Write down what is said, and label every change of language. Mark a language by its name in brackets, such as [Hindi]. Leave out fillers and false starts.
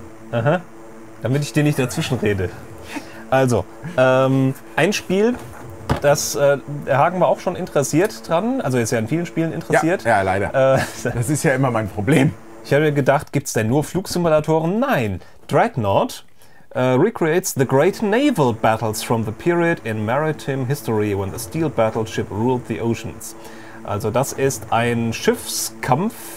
[German] Aha, damit ich dir nicht dazwischen rede. Also, ein Spiel, das der Hagen war auch schon interessiert dran, also ist ja in vielen Spielen interessiert. Ja, ja leider. Das ist ja immer mein Problem. Ich habe mir gedacht, gibt es denn nur Flugsimulatoren? [English] Nein, Dreadnought recreates the great naval battles from the period in maritime history when the steel battleship ruled the oceans. [German] Also das ist ein Schiffskampf